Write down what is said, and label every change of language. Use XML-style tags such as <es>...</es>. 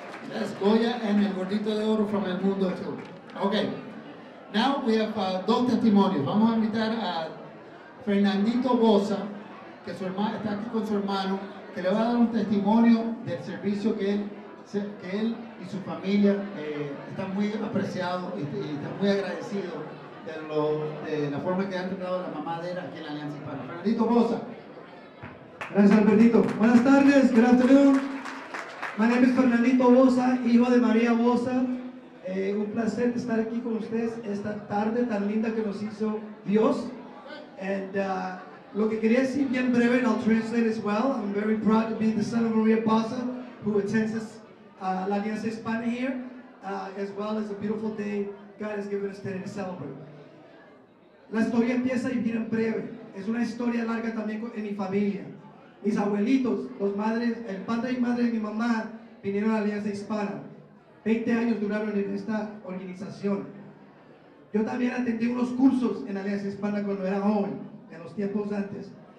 <en>That's Goya and El Gordito de Oro from El Mundo, too. Okay, now we have</en> <es>dos testimonios. Vamos a invitar a Fernandito Bosa, que su hermano está aquí con su hermano, que le va a dar un testimonio del servicio que él y su familia están muy apreciados y están muy agradecidos de la forma que han tratado la mamá de él aquí en la Alianza Hispana. Fernandito Bosa. Gracias, Albertito. Buenas tardes,</es> <en>good afternoon. My name is Fernandito Bosa,</en> <es>hijo de María Bosa. Un placer estar aquí con ustedes esta tarde tan linda que nos hizo Dios. And lo que quería decir bien breve,</es> <en>and I'll translate as well. I'm very proud to be the son of Maria Bosa, who attends us, La Alianza Hispana here, as well as a beautiful day God has given us today to celebrate.</en> <es>La historia empieza y bien breve. Es una historia larga también en mi familia. Mis abuelitos, los madres, el padre y madre de mi mamá, vinieron a La Alianza Hispana. 20 años duraron en esta organización. Yo también atendí unos cursos en Alianza Hispana cuando era joven, en los tiempos antes.</es>